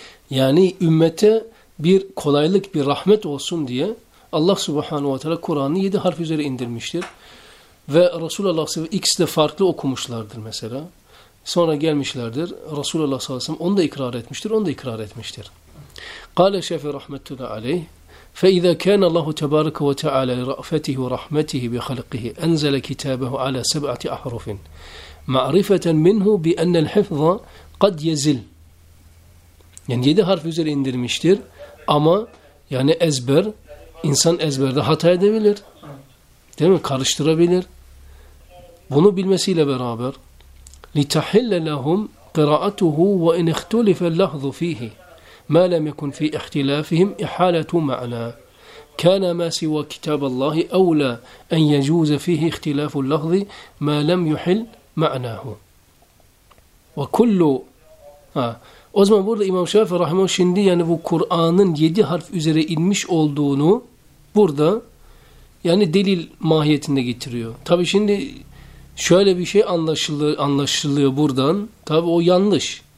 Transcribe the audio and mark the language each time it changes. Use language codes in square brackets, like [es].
[tr] Yani ümmete bir kolaylık, bir rahmet olsun diye Allah Subhanahu ve Teala Kur'an'ı 7 harf üzere indirmiştir. Ve Resulullah s.a.v. ikisi de farklı okumuşlardır mesela. Sonra gelmişlerdir. Resulullah s.a.v. onu da ikrar etmiştir, onu da ikrar etmiştir. [ar] Kale Şefi Rahmetullah Aleyh فَإِذَا كَانَ اللّٰهُ تَبَارَكَ وَتَعَالَى لِرَأْفَتِهِ وَرَحْمَتِهِ بِخَلِقِهِ اَنْزَلَ كِتَابَهُ عَلَى سَبْعَةِ اَحْرُفٍ معرفة منه بأن الحفظ قد يزل [tr] yani 7 harf üzere indirmiştir ama yani ezber insan ezberde hata edebilir değil mi karıştırabilir bunu bilmesiyle beraber [ar] لتحل لهم قراءته وإن اختلف اللفظ فيه ما لم يكن في اختلافهم إحالة معنى كان ما سوى كتاب الله أولى أن يجوز فيه اختلاف اللفظ ما لم يحل معناه. [tr] وكل O zaman burada İmam Şafii Rahimahullah şimdi yani bu Kur'an'ın 7 harf üzere inmiş olduğunu burada yani delil mahiyetinde getiriyor. Tabi şimdi şöyle bir şey anlaşılıyor buradan. Tabi o yanlış.